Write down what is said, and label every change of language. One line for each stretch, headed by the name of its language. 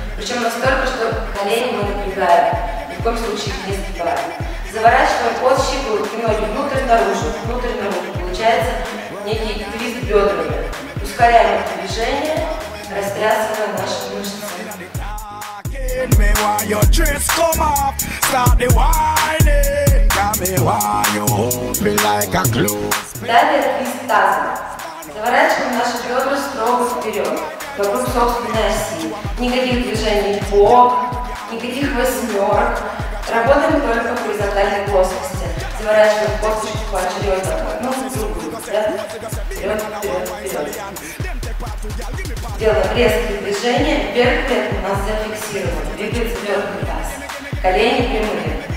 Russian: Причем настолько, что колени мы напрягаем. Ни в коем случае их не сгибаем. Заворачиваем под щиколотки ноги внутрь-наружу. Внутрь-наружу. Получается некий твист бедрами. Ускоряем их движение. Растрясываем наши мышцы.
English: Me want your dress come up, start the whining. Got me want you hold me like a glue.
Russian: Далее из таза. Заворачиваем наши бедра строго вперед, вокруг собственной оси. Никаких движений в бок, никаких восьмерок. Работаем только в горизонтальной плоскости. Заворачиваем косточку поочередно. Одну, другую. Вперед, вперед, вперед. Делаем резкие движения, вверх клетка у нас зафиксирована, двигается верхний таз, колени прямые.